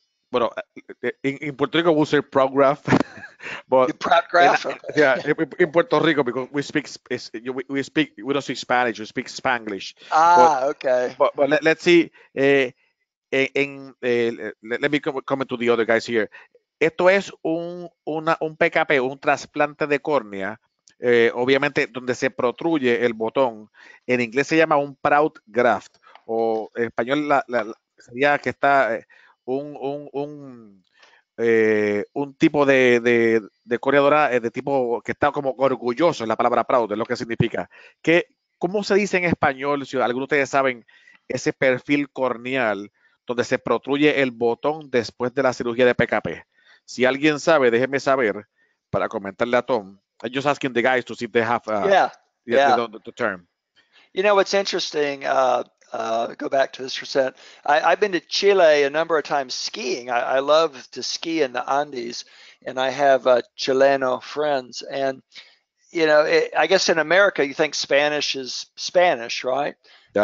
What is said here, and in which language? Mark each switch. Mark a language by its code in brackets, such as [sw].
[en] Bueno, in Puerto Rico we say proud graft. But proud graft. Yeah, in Puerto Rico, because we don't speak Spanish, we speak Spanglish. Okay. But let's see. Let me comment to the other guys here. [es] Esto es un PKP, un trasplante de córnea, obviamente donde se protruye el botón. En inglés se llama un proud graft, o en español sería que está un tipo de córnea dorada, de tipo que está como orgulloso, la palabra proud es lo que significa. ¿Cómo se dice en español, si algunos de ustedes saben, ese perfil corneal donde se protruye el botón después de la cirugía de PKP? Si alguien sabe, déjeme saber para comentarle a Tom. [en] I'm just asking the guys to see if they have the term. You know, what's interesting, go back to this for a second. I've been to Chile a number of times skiing. I love to ski in the Andes, and I have Chileno friends. And, you know, I guess in America, you think Spanish is Spanish, right? Yeah.